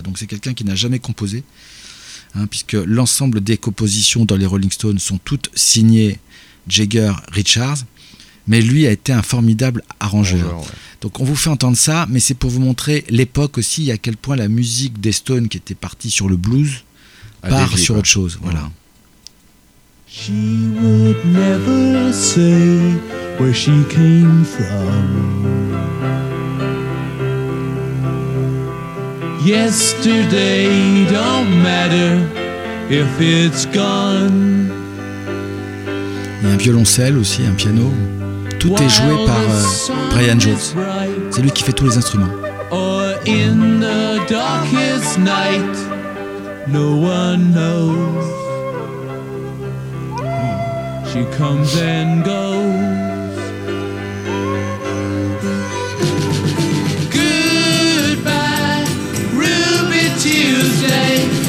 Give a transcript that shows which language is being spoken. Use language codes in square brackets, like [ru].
[fr] Donc c'est quelqu'un qui n'a jamais composé, hein, puisque l'ensemble des compositions dans les Rolling Stones sont toutes signées Jagger Richards, mais lui a été un formidable arrangeur. Bonjour, ouais. Donc on vous fait entendre ça, mais c'est pour vous montrer l'époque aussi, à quel point la musique des Stones, qui était partie sur le blues, part sur autre chose. Ouais. Voilà. [en] She would never say where she came from. Yesterday don't matter if it's gone. [fr] Il y a un violoncelle aussi, un piano. Tout est joué par Brian Jones. C'est lui qui fait tous les instruments. [en] Or in the darkest night, no one knows. She comes and goes. Goodbye, Ruby Tuesday.